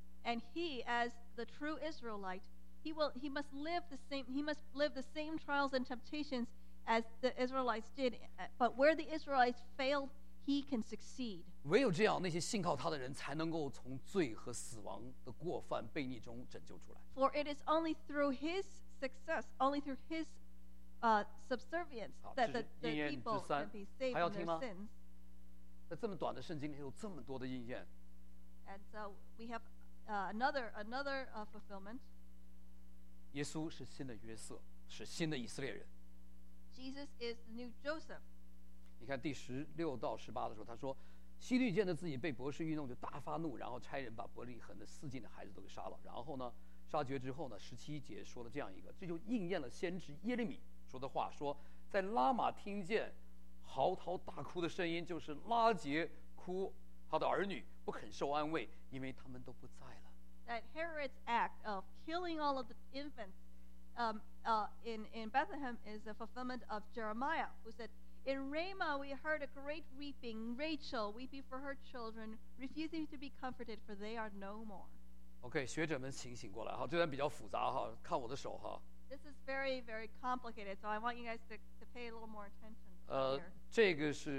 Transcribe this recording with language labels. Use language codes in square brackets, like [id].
[en] And he, as the true Israelite, he must live the same trials and temptations as the Israelites did. But where the Israelites failed, he can succeed. [zh] 唯有这样，那些信靠他的人才能够从罪和死亡的过犯悖逆中拯救出来。 [en] For it is only through his success, only through his subservience, that the people can be saved from their sins. And so we have another fulfillment. [zh] 耶稣是新的约瑟, 是新的以色列人。 [en] Jesus is the new Joseph. [zh] 你看第16到18的时候, 他说, 希律见的自己被博士运动, 就大发怒, 然后差人把伯利恒的四境的孩子都给杀了, 然后呢, 杀绝之后呢, 17节说了这样一个, 这就应验了先知耶利米说的话, 说, 在拉玛听见嚎啕大哭的声音, 就是拉结哭他的儿女, 不肯受安慰, 因为他们都不在了。 [en] That Herod's act of killing all of the infants in Bethlehem is a fulfillment of Jeremiah, who said, In Ramah we heard a great weeping, Rachel weeping for her children, refusing to be comforted, for they are no more. [zh] OK, 学者们醒醒过来,这段比较复杂,看我的手。 [en] This is very, very complicated, so I want you guys to pay a little more attention here.